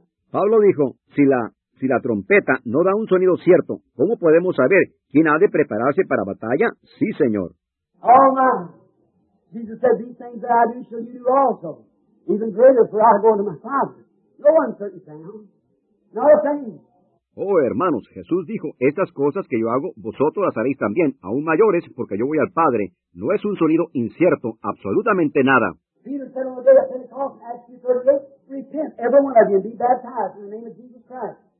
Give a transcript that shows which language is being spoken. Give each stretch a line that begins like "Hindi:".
Spanish: Pablo dijo, si la trompeta no da un sonido cierto, ¿cómo podemos saber quién ha de prepararse para batalla? Sí, Señor.
English: Oh, my. Jesus said, these things that I do shall you do also. Even greater, for I go unto my Father. No uncertain sound. No thing.
Spanish: Oh, hermanos, Jesús dijo, estas cosas que yo hago, vosotros las haréis también, aún mayores, porque yo voy al Padre. No es un sonido incierto, absolutamente nada.
English: Peter said on the day of Pentecost, Acts 2:38, repent, every one of you, be baptized in the name of Jesus Christ.